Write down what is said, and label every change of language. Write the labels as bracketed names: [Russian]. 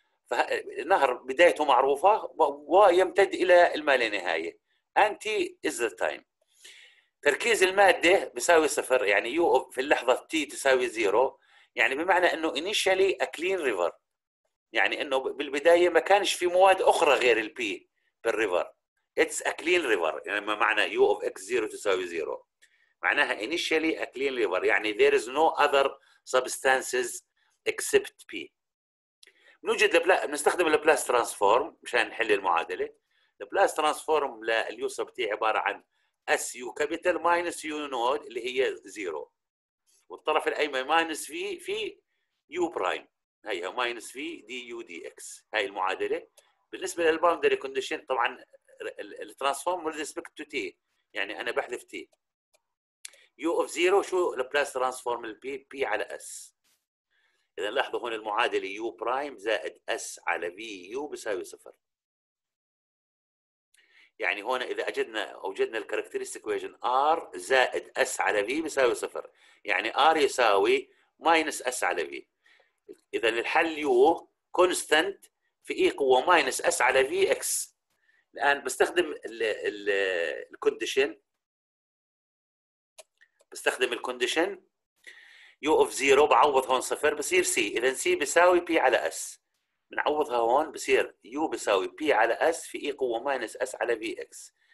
[Arabic] فالنهر بدايته معروفه ويمتد الى المالانهايه [English] انتي as the time. [Arabic] تركيز المادة بيساوي صفر يعني يو في اللحظة تي تساوي زيرو يعني بمعنى انه [English] initially a clean river [Arabic] يعني انه بالبداية ما كانش في مواد اخرى غير البي بالريفر. [English] it's a clean river [Arabic] يعني ما معنى يو [English] of x zero [Arabic] تساوي زيرو معناها [English] initially a clean river يعني there is no other substances except p. [Arabic] بنوجد بنستخدم لابلاس ترانسفورم مشان نحل المعادلة. لابلاس ترانسفورم لليو سب تي عبارة عن S U capital minus U node اللي هي 0 والطرف الأيمن minus V في U prime هي minus V D U D X هاي المعادلة. بالنسبة للباوندري كونديشن طبعا الترانسفورم with respect to T يعني أنا بحذف T U of 0 شو plus transform P P على S. إذا لاحظوا هون المعادلة U prime زائد S على V U بساوي صفر. يعني هنا إذا أوجدنا الكاركتيرستيك ويجن R زائد S على V بيساوي صفر يعني R يساوي minus S على V. إذا الحل U constant في E قوة minus S على V X. الآن بستخدم الـ condition بستخدم الـ condition U of 0 بعوض هون صفر بصير C. إذا C بيساوي P على S بنعوضها هون بصير U بساوي P على S في E قوة minus S على VX.